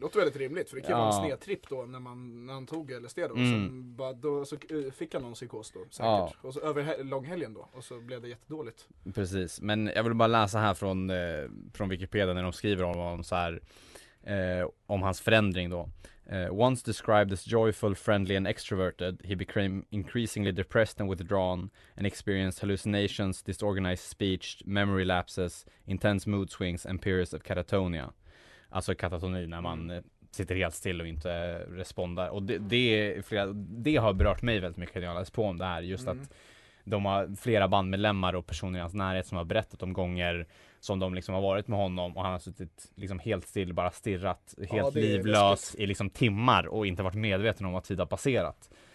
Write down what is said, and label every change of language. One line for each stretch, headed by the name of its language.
Swedish: Det låter väldigt rimligt, för det kan vara en snedtripp då när han tog LSD då, så fick han någon psykos då säkert, och så över långhelgen då, och så blev det jättedåligt. Precis, men jag vill bara läsa här från Wikipedia när de skriver om honom så här, om hans förändring då.
English: Once described as joyful, friendly and extroverted, he became increasingly depressed and withdrawn and experienced hallucinations, disorganized speech, memory lapses, intense mood swings and periods of catatonia.
Swedish: Alltså katatoni, när man sitter helt still och inte responderar. Och det har berört mig väldigt mycket när jag läst på om det här. Just att de har flera bandmedlemmar och personer i hans närhet som har berättat om gånger som de liksom har varit med honom och han har suttit liksom helt still, bara stirrat helt livlös i liksom timmar och inte varit medveten om vad tid har passerat.